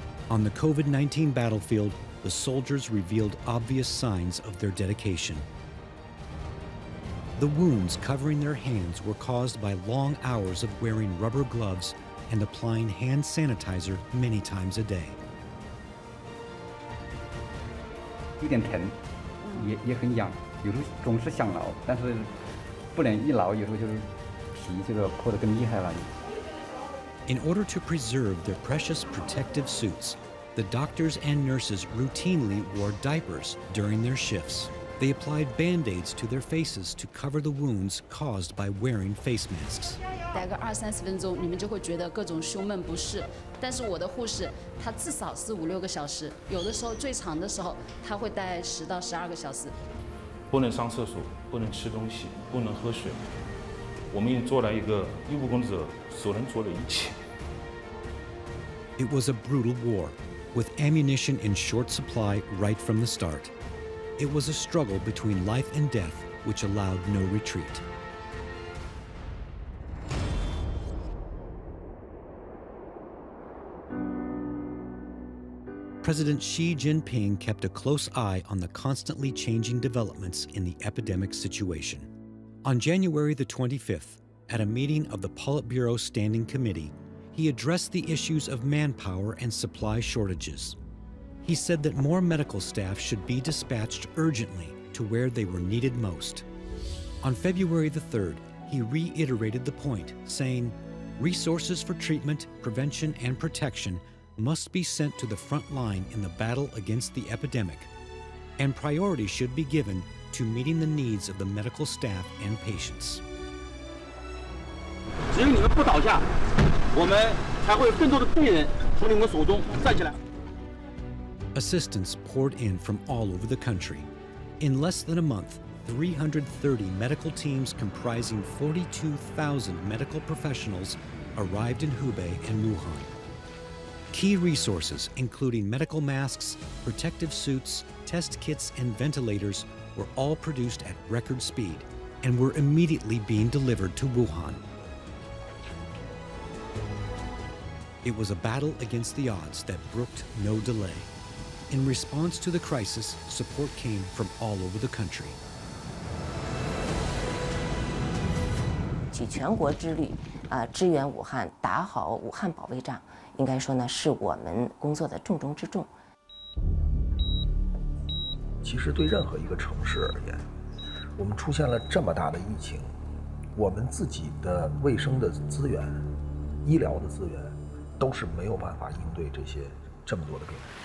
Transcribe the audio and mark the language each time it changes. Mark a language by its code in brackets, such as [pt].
[en] On the COVID-19 battlefield, the soldiers revealed obvious signs of their dedication. The wounds covering their hands were caused by long hours of wearing rubber gloves and applying hand sanitizer many times a day. [zh] 有点疼，也很痒，有时候总是想挠，但是不能一挠，有时候就是皮这个破得更厉害了。 [en] In order to preserve their precious protective suits, the doctors and nurses routinely wore diapers during their shifts. They applied band-aids to their faces to cover the wounds caused by wearing face masks. [zh] 待个二三十分钟，你们就会觉得各种胸闷不适。但是我的护士，她至少是五六个小时，有的时候最长的时候，她会待10到12个小时。不能上厕所，不能吃东西，不能喝水。我们也做了一个医务工作者所能做的一切。 [en] It was a brutal war, with ammunition in short supply right from the start. It was a struggle between life and death, which allowed no retreat. President Xi Jinping kept a close eye on the constantly changing developments in the epidemic situation. On January the 25th, at a meeting of the Politburo Standing Committee, he addressed the issues of manpower and supply shortages. He said that more medical staff should be dispatched urgently to where they were needed most. On February the 3rd, he reiterated the point, saying, resources for treatment, prevention, and protection must be sent to the front line in the battle against the epidemic, and priority should be given to meeting the needs of the medical staff and patients. [zh] 只有你们不倒下，我们才会有更多的病人从你们手中站起来。 [en] Assistance poured in from all over the country. In less than a month, 330 medical teams comprising 42,000 medical professionals arrived in Hubei and Wuhan. Key resources, including medical masks, protective suits, test kits, and ventilators, were all produced at record speed and were immediately being delivered to Wuhan. It was a battle against the odds that brooked no delay. In response to the crisis, support came from all over the country. [zh] 去全国之旅，支援武汉，打好武汉保卫战，应该说呢，是我们工作的重中之重。其实对任何一个城市而言，我们出现了这么大的疫情，我们自己的卫生的资源、医疗的资源，都是没有办法应对这些这么多的病人。